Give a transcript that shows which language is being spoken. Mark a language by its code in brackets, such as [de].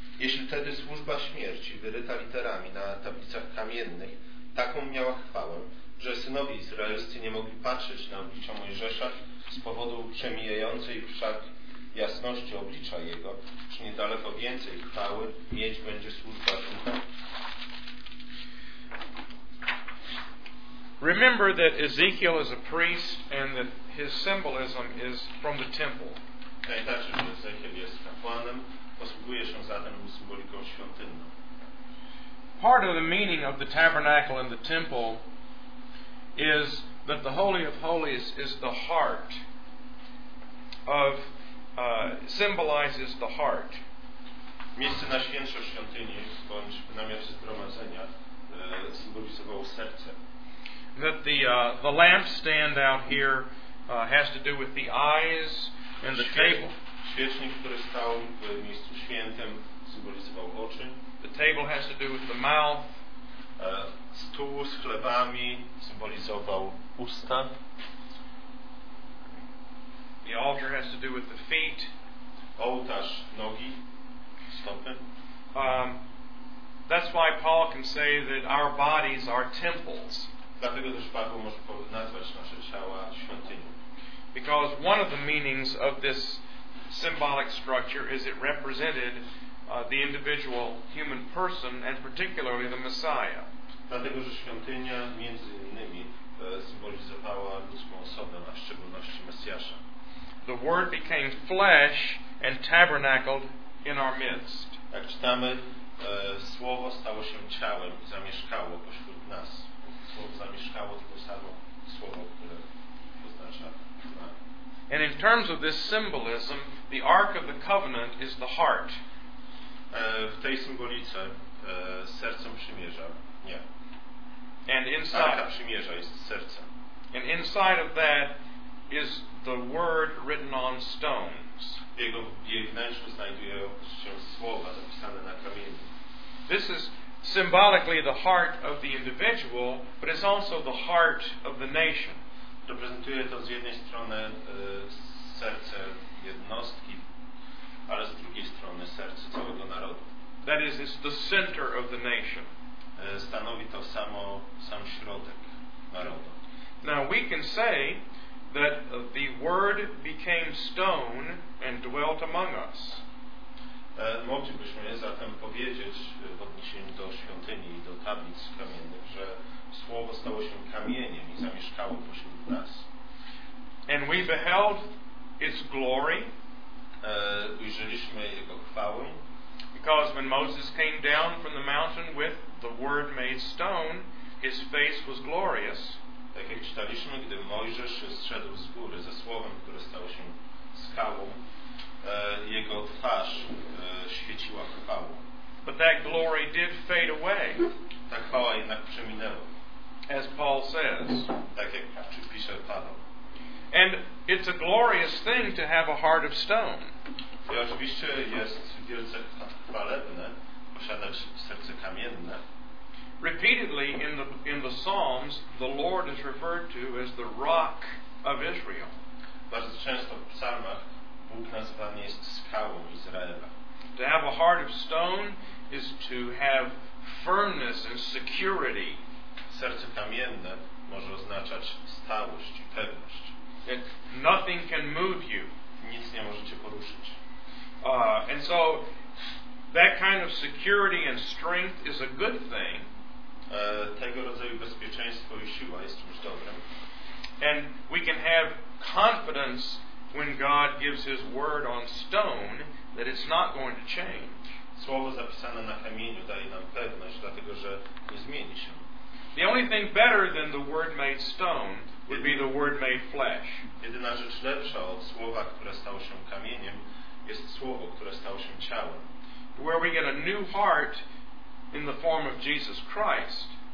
[pl] Jeśli wtedy służba śmierci wyryta literami na tablicach kamiennych taką miała chwałę, że synowie izraelscy nie mogli patrzeć na oblicza Mojżesza z powodu przemijającej wszak jasności oblicza jego, czy niedaleko więcej chwały mieć będzie służba ducha. [en] Remember that Ezekiel is a priest and that his symbolism is from the temple. [pl] Pamiętajcie, że Ezekiel jest kapłanem, posługuje się zatem symboliką świątynną. [en] Part of the meaning of the tabernacle and the temple is that the Holy of Holies is the heart of symbolizes the heart. [pl] Miejsce najświętsze w świątyni bądź w namiocie zgromadzenia symbolizowało serce. [en] That the lampstand out here has to do with the eyes and the table. [pl] Świecznik, który stał w miejscu świętym, symbolizował oczy. [en] The table has to do with the mouth. [pl] Stół z chlebami symbolizował usta. [en] The altar has to do with the feet. [pl] Ołtarz, nogi, stopy. [en] That's why Paul can say that our bodies are temples. [pl] Dlatego też Paweł może nazwać nasze ciała świątynią. [en] Because one of the meanings of this symbolic structure is it represented the individual human person and particularly the Messiah. [pl] Dlatego, że świątynia między innymi symbolizowała ludzką osobę, a w szczególności Mesjasza. [en] The word became flesh and tabernacled in our midst. [pl] Jak czytamy, słowo stało się ciałem i zamieszkało pośród nas. Słowo zamieszkało tylko samo słowo, które oznacza. [en] And in terms of this symbolism, the Ark of the Covenant is the heart. [pl] W tej symbolice sercem przymierza. Nie. [en] And inside. [pl] Arka przymierza jest serce. [en] And inside of that is the word written on stones. [pl] Jej wnętrzu znajdują się słowa zapisane na kamieniu. [en] This is symbolically the heart of the individual, but it's also the heart of the nation. [pl] Reprezentuje to z jednej strony serce jednostki, ale z drugiej strony serce całego narodu. [en] That is, it's the center of the nation. [pl] Stanowi to sam środek narodu. [en] Now we can say that the word became stone and dwelt among us. [pl] Moglibyśmy zatem powiedzieć w odniesieniu do świątyni i do tablic kamiennych, że słowo stało się kamieniem i zamieszkało pośród nas. [en] And we beheld its glory. [pl] Ujrzeliśmy jego chwałę. [en] Because when Moses came down from the mountain with the word made stone, his face was glorious. [pl] Tak jak czytaliśmy, gdy Mojżesz zszedł z góry ze słowem, które stało się skałą, jego twarz świeciła chwałą. [en] But that glory did fade away. [pl] Ta chwała jednak przeminęła. [en] As Paul says. [pl] Tak jak pisze Paweł. [en] And it's a glorious thing to have a heart of stone. [pl] I oczywiście jest wielce chwalebne posiadać serce kamienne. [en] Repeatedly in the Psalms, the Lord is referred to as the rock of Israel. [pl] Bardzo często w psalmach Bóg nazywany jest skałą Izraela. [en] To have a heart of stone is to have firmness and security. [pl] Serce kamienne może oznaczać stałość i pewność. [en] That nothing can move you. [pl] Nic nie możecie poruszyć. [en] And so that kind of security and strength is a good thing. [pl] Tego rodzaju bezpieczeństwo i siła jest czymś dobrym. [en] And we can have confidence when God gives his word on stone that it's not going to change. [pl] Słowo zapisane na kamieniu daje nam pewność, dlatego że nie zmieni się. [en] The only thing better than the word made stone would be the word made flesh. [pl] Jedyna rzecz lepsza od słowa, które stało się kamieniem, jest słowo, które stało się ciałem. [en] Where we get a new heart in the form of Jesus Christ.